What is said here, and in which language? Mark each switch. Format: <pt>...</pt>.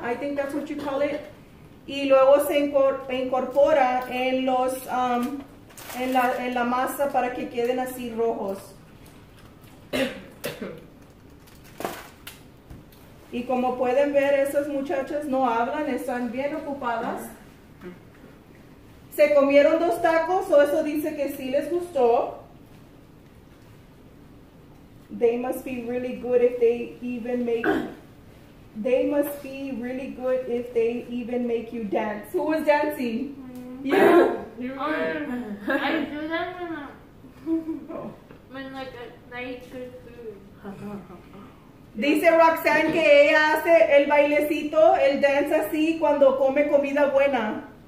<en>I think that's what you call it.</en> <es>Y luego se incorpora en la masa para que queden así rojos. Y como pueden ver, esas muchachas no hablan, están bien ocupadas. ¿Se comieron dos tacos o eso dice que sí les gustó?</es> <en>They must be really good if they even make... They must be really good if they even make you dance. Who was dancing? Mm-hmm. You? You were. I do that when like, I eat good food.</en> <es>Dice Roxanne que ella hace el bailecito, el dance así cuando come comida buena.</es>